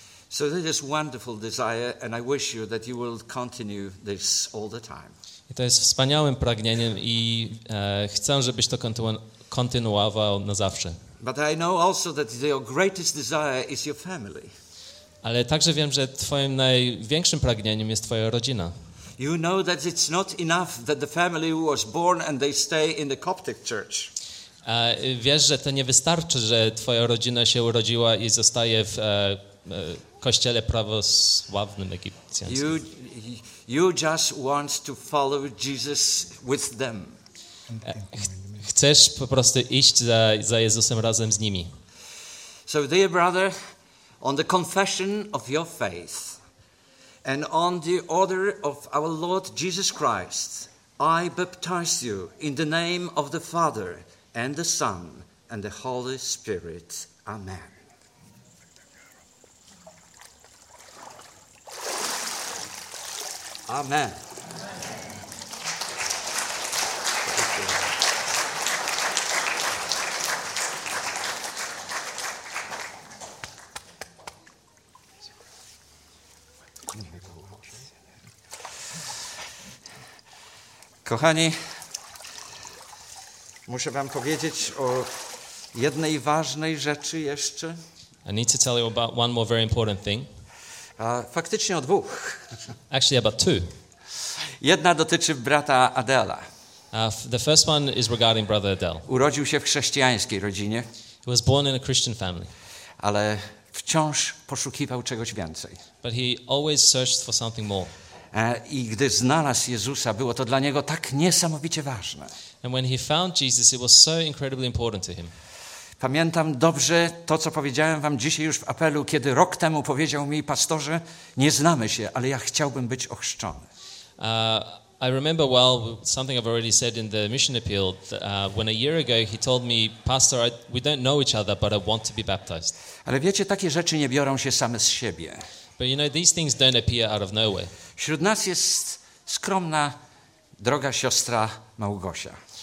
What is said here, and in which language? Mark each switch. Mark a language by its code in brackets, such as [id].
[en] So this is wonderful desire and I wish you that you will continue this all the time. [pl] I to jest wspaniałym pragnieniem i chcę, żebyś to kontynuował na zawsze. [en] But I know also that your greatest desire is your family. [pl] Ale także wiem, że twoim największym pragnieniem jest twoja rodzina. [en] You know that it's not enough that the family was born and they stay in the Coptic church. [pl] Wiesz, że to nie wystarczy, że twoja rodzina się urodziła i zostaje w kościele prawosławnym egipcjańskim. [en] You just want to follow Jesus with them. [pl] Chcesz po prostu iść za Jezusem razem z nimi. [en] So dear brother, on the confession of your faith and on the order of our Lord Jesus Christ, I baptize you in the name of the Father and the Son and the Holy Spirit. Amen. Amen. [pl] Kochani, muszę wam powiedzieć o jednej ważnej rzeczy jeszcze. [en] I need to tell you about one more very important thing. [pl] Faktycznie o dwóch. [en] Actually about two. [pl] Jedna dotyczy brata Adela. [en] The first one is regarding brother Adele. [pl] Urodził się w chrześcijańskiej rodzinie. [en] He was born in a Christian family. [pl] Ale wciąż poszukiwał czegoś więcej. [en] But he always searched for something more. [pl] I gdy znalazł Jezusa, było to dla niego tak niesamowicie ważne. [en] And when he found Jesus, it was so incredibly important to him. [pl] Pamiętam dobrze to, co powiedziałem wam dzisiaj już w apelu, kiedy rok temu powiedział mi pastorze, nie znamy się, ale ja chciałbym być ochrzczony. [en] I remember well something I've already said in the mission appeal, when a year ago he told me, pastor, we don't know each other, but I want to be baptized. [pl] Ale wiecie, takie rzeczy nie biorą się same z siebie. [en] But you know, these things don't appear out of nowhere. [pl] Wśród nas jest skromna, droga siostra Małgosia.